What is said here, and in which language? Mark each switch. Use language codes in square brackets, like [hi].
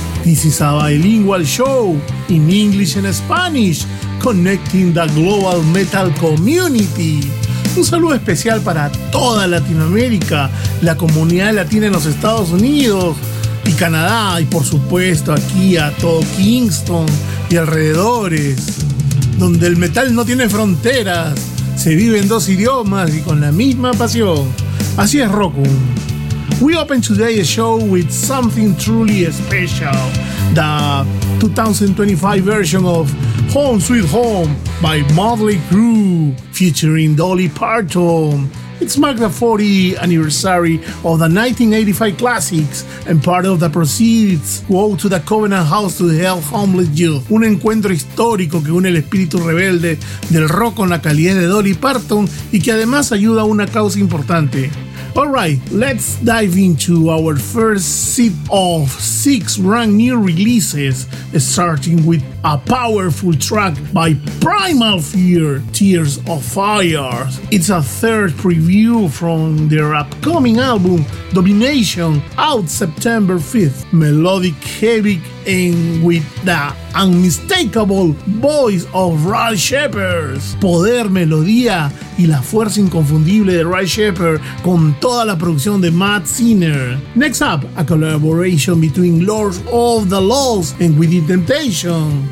[en] This is a bilingual show in English and Spanish, connecting the global metal community. [es] Un saludo especial para toda Latinoamérica, la comunidad latina en los Estados Unidos y Canadá, y por supuesto aquí a todo Kingston y alrededores, donde el metal no tiene fronteras, se vive en dos idiomas y con la misma pasión. Así es Rock'em. [en] We open today a show with something truly special, the 2025 version of Home Sweet Home by Motley Crue, featuring Dolly Parton. It's marked the 40th anniversary of the 1985 classics, and part of the proceeds go to the Covenant House to help homeless youth. [es] Un encuentro histórico que une el espíritu rebelde del rock con la calidez de Dolly Parton y que además ayuda a una causa importante. [en] All right, let's dive into our first set of six brand new releases, starting with a powerful track by Primal Fear, Tears of Fire. It's a third preview from their upcoming album, Domination, out September 5th. Melodic, heavy, and with the unmistakable voice of Ralph Shepard. [es] Poder, melodía y la fuerza inconfundible de Ralph Shepard con toda la producción de Matt Sinner. [en] Next up, a collaboration between Lords of the Lost and Within Temptation.